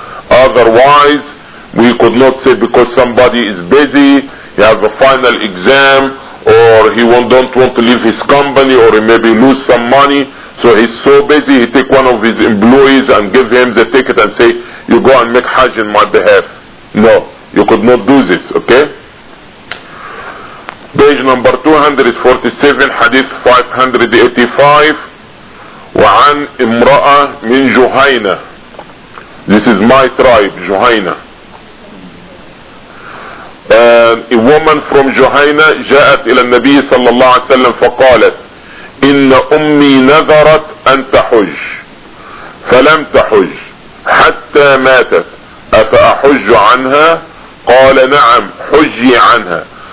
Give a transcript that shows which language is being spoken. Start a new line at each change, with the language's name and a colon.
English: Otherwise, we could not say because somebody is busy, he has a final exam, or he don't want to leave his company, or he maybe lose some money, so he's so busy, he take one of his employees and give him the ticket and say, you go and make Hajj in my behalf. No, you could not do this, okay? Page number 247, Hadith 585,
Arabic: وعن امرأة من جهينة.
English: This is my tribe, جهينة. And a woman from Juhayna
Arabic: جاءت إلى النبي صلى الله عليه وسلم فقالت إن أمي نذرت أن تحج فلم تحج حتى ماتت أفأحج عنها؟ قال نعم حجي عنها.